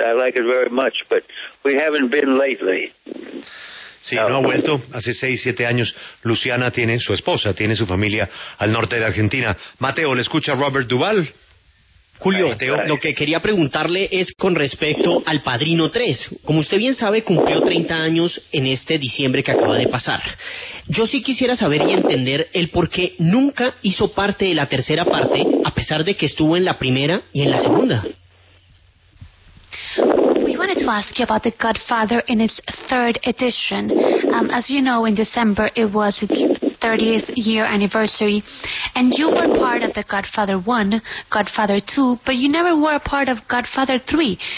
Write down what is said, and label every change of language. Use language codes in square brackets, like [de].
[en] I like it very much, but we haven't been lately. [es] Sí, no ha vuelto. Hace 6, 7 años, Luciana tiene su esposa, tiene su familia al norte de la Argentina. Mateo, ¿le escucha Robert Duvall? Julio, Mateo, lo que quería preguntarle es con respecto al Padrino 3. Como usted bien sabe, cumplió 30 años en este diciembre que acaba de pasar. Yo sí quisiera saber y entender el por qué nunca hizo parte de la tercera parte, a pesar de que estuvo en la primera y en la segunda. [en] We wanted to ask you about The Godfather in its third edition. As you know, in December, it was its 30th year anniversary. And you were part of The Godfather 1, Godfather 2, but you never were a part of Godfather 3.